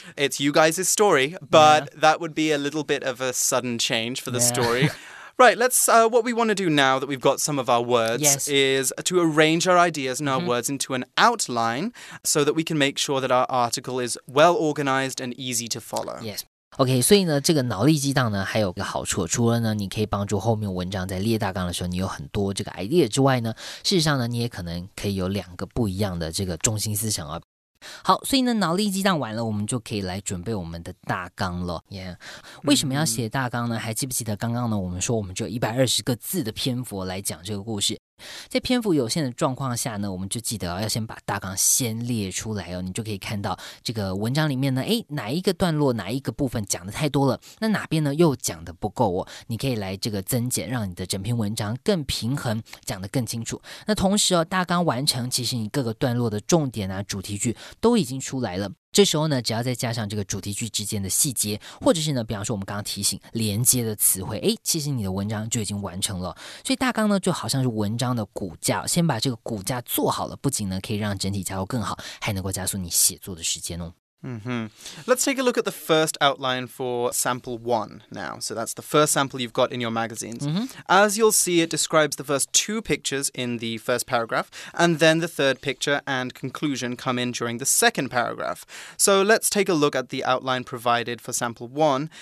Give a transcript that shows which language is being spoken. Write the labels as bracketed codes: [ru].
[en] It's you guys' story, but that would be a little bit of a sudden change for the story. Right, let's. What we want to do now that we've got some of our words is to arrange our ideas and our words into an outline so that we can make sure that our article is well organized and easy to follow. Yes. [zh] OK, 所以呢这个脑力激荡呢还有一个好处，除了呢你可以帮助后面文章在列大纲的时候你有很多这个 idea 之外呢，事实上呢你也可能可以有两个不一样的这个中心思想啊。好，所以呢脑力激荡完了，我们就可以来准备我们的大纲了。为什么要写大纲呢？还记不记得刚刚呢我们说我们就120个字的篇幅来讲这个故事，在篇幅有限的状况下呢，我们就记得要先把大纲先列出来哦，你就可以看到这个文章里面呢，哪一个段落哪一个部分讲的太多了，那哪边呢又讲的不够哦，你可以来这个增减，让你的整篇文章更平衡，讲得更清楚。那同时哦，大纲完成，其实你各个段落的重点啊主题句都已经出来了，这时候呢只要再加上这个主题句之间的细节，或者是呢比方说我们刚刚提醒连接的词汇，其实你的文章就已经完成了。所以大纲呢就好像是文章的骨架，先把这个骨架做好了，不仅呢可以让整体架构更好，还能够加速你写作的时间哦。 [en] Let's take a look at the first outline for sample one now. So that's the first sample you've got in your magazines. As you'll see, it describes the first two pictures in the first paragraph, and then the third picture and conclusion come in during the second paragraph. So let's take a look at the outline provided for sample one.